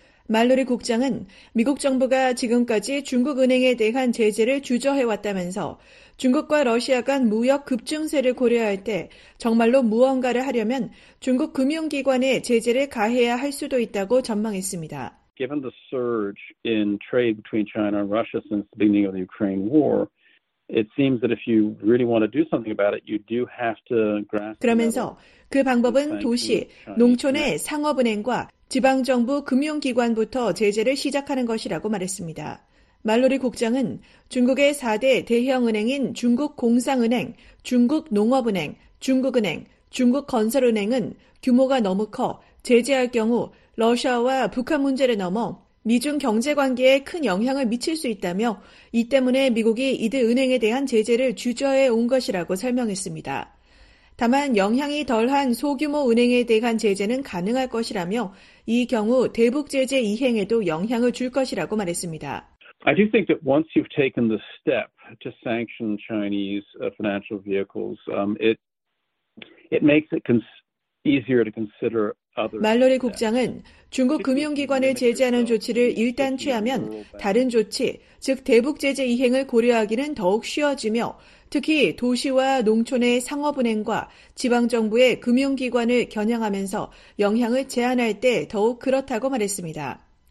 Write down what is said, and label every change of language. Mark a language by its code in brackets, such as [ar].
[ko] 말로리 국장은 미국 정부가 지금까지 중국 은행에 대한 제재를 주저해왔다면서 중국과 러시아 간 무역 급증세를 고려할 때 정말로 무언가를 하려면 중국 금융기관에 제재를 가해야 할 수도 있다고 전망했습니다. [en] Given the surge in trade between China and Russia since the beginning of the Ukraine war, it seems that if you really want to do something about it, you do have to grasp. [ko] 그러면서 그 방법은 도시, 농촌의 상업은행과 지방정부 금융기관부터 제재를 시작하는 것이라고 말했습니다. 말로리 국장은 중국의 4대 대형은행인 중국공상은행, 중국농업은행, 중국은행, 중국건설은행은 규모가 너무 커 제재할 경우 러시아와 북한 문제를 넘어 미중 경제관계에 큰 영향을 미칠 수 있다며 이 때문에 미국이 이들 은행에 대한 제재를 주저해 온 것이라고 설명했습니다. 다만 영향이 덜한 소규모 은행에 대한 제재는 가능할 것이라며 이 경우 대북 제재 이행에도 영향을 줄 것이라고 말했습니다. [en] I do think that once you've taken the step to sanction Chinese financial vehicles, it makes it easier to consider other. [ko] 말로리 국장은 중국 금융기관을 제재하는 조치를 일단 취하면 다른 조치, 즉 대북 제재 이행을 고려하기는 더욱 쉬워지며 특히 도시와 농촌의 상업은행과 지방정부의 금융기관을 겨냥하면서 영향을 제한할 때 더욱 그렇다고 말했습니다.